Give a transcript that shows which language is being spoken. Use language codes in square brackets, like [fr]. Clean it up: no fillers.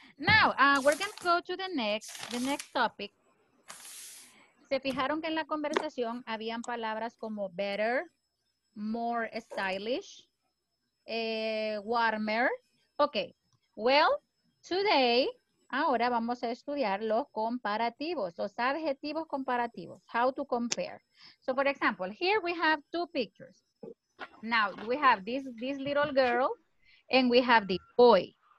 [en] Now, we're going to go to the next topic. [es] ¿Se fijaron que en la conversación habían palabras como better, [en] more stylish, warmer? [es] Okay. [en] Well, today [es] ahora vamos a estudiar los comparativos, los adjetivos comparativos. [en] How to compare. So, for example, here we have two pictures. Now, we have this little girl and we have the boy.